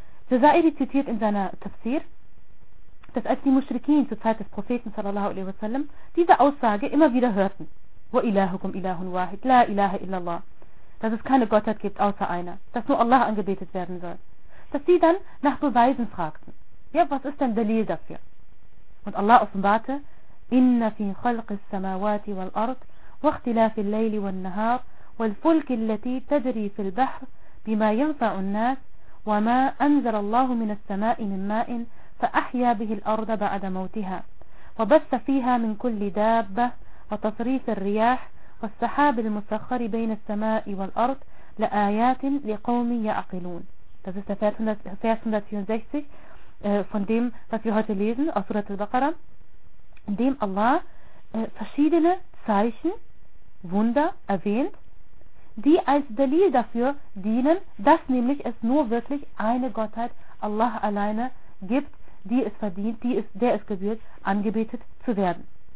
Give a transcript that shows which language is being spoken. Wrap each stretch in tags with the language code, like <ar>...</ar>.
<de>Zaza'iri zitiert in seiner Tafsir, dass als die Mushrikin zur Zeit des Propheten sallallahu alaihi wasallam diese Aussage immer wieder hörten,</de> <ar>wa ilahukum ilahun wahid, la ilaha illallah,</ar> <de>dass es keine Gottheit gibt außer einer, dass nur Allah angebetet werden soll, dass sie dann nach Beweisen fragten. Ja, was ist denn Dalil dafür? Und Allah offenbarte,</de> <ar>inna fi khalqis samawati wal ard wa ikhtilafil layli wan nahar wal fulki allati tajri fil bahr bima yanfa'un nas وما أنزل الله من السماء من ماء فأحيا به الأرض بعد موتها وبث فيها من كل دابة وتصريف الرياح والسحاب المسخر بين السماء والأرض لآيات لقوم يعقلون.</ar> <de>Das ist der Vers 164 von dem, was wir heute lesen aus Surat al-Baqarah, in dem Allah verschiedene Zeichen, Wunder erwähnt, die als Dalil dafür dienen, dass nämlich es nur wirklich eine Gottheit, Allah alleine, gibt, die es verdient, der es gebührt, angebetet zu werden.</de>